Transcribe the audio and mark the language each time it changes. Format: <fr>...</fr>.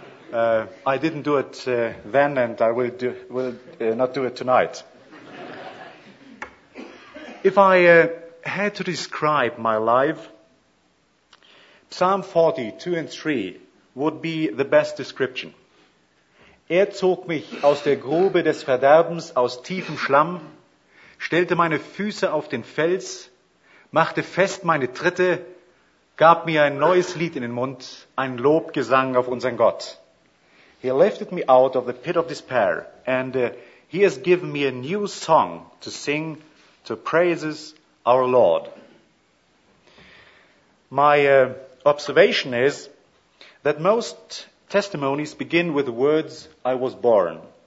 <en>I didn't do it then, and I will not do it tonight. If I had to describe my life, Psalm 40, 2 and 3 would be the best description.</en> <de>Zog mich aus der Grube des Verderbens, aus tiefem Schlamm, stellte meine Füße auf den Fels, machte fest meine Tritte, gab mir ein neues Lied in den Mund, ein Lobgesang auf unseren Gott.</de> <en>He lifted me out of the pit of despair, and he has given me a new song to sing to praises our Lord. My observation is that most testimonies begin with the words, I was born.</en>